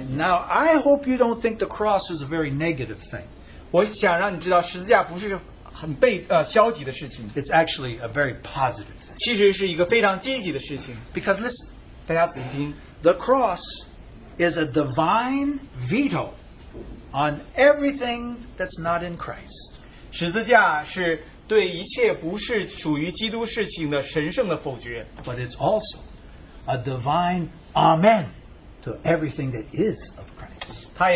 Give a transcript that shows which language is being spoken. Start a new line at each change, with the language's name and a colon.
English: Now, I hope you don't think the cross is a very negative thing.
Chinese: 我想让你知道十字架不是很消极的事情。
English: It's actually a very positive thing.
Chinese: 其实是一个非常积极的事情。
English: Because this,
Chinese: 大家仔细听,
English: the cross is a divine veto on everything that's not in Christ.
Chinese: 十字架是对一切不是属于基督事情的神圣的否决。
English: But it's also a divine amen to everything that is of Christ.